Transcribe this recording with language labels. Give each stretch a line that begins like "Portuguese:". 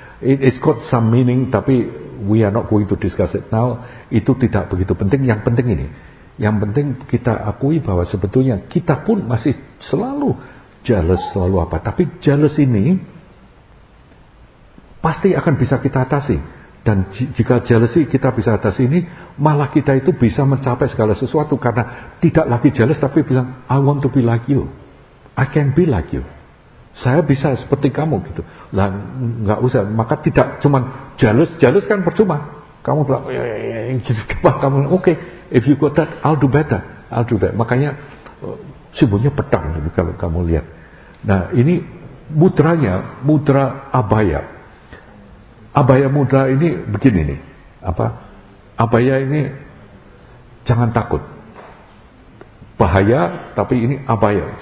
English: It's got some meaning,
Indonesian: tapi
English: we are not going to discuss it now.
Indonesian: Itu tidak begitu penting. Yang penting ini, yang penting kita akui bahwa sebetulnya kita pun masih selalu jealous, selalu apa, tapi jealous ini pasti akan bisa kita atasi. Dan jika jealousy kita bisa atas ini, malah kita itu bisa mencapai segala sesuatu. Karena tidak lagi jealous, tapi bilang,
English: I want to be like you. I can be like you.
Indonesian: Saya bisa seperti kamu, gitu. Lah, enggak usah. Maka tidak cuma jealous. Jealous kan percuma. Kamu bilang, kamu,
English: okay, if you got that, I'll do better. I'll do better.
Indonesian: Makanya, simbolnya pedang, gitu, kalau kamu lihat. Nah, ini mudranya, mudra abaya. Abaya mudra ini begini nih, apa? Abaya ini jangan takut, bahaya, tapi ini abaya.